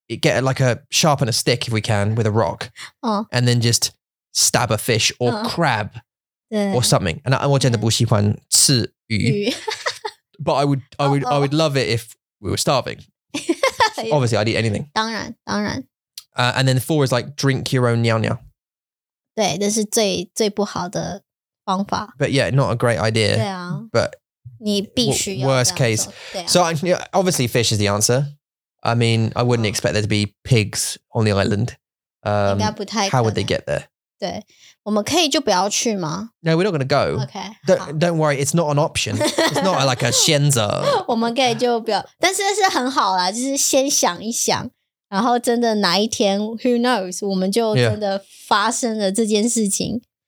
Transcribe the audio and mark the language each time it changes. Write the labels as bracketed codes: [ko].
[en] Get like a Sharpen a stick if we can With a rock And then just Stab a fish Or crab [zh] 对 [en] Or something And I [zh] 我真的不喜欢吃鱼 [en] But I would love it if We were starving Obviously I'd eat anything [zh] 当然 [en] And then four is like drink your own 尿尿。 [zh] 对，这是最最不好的方法。 [en] But yeah, not a great idea. [zh] 对啊。 [en] But [zh] 你必须要 [en] worst case. [zh] 对啊。 [en] So obviously fish is the answer. I mean, I wouldn't expect there to be pigs on the island. [zh] 应该不太可能。 [en] How would they get there? [zh] 对，我们可以就不要去吗 [en] ？No, we're not going to go. Okay. Don't worry. It's not an option. It's not like a 选择。 [zh] 我们可以就不要，但是是很好啦，就是先想一想。然后真的哪一天 ， [en] Who knows？ [zh] 我们就真的发生了这件事情。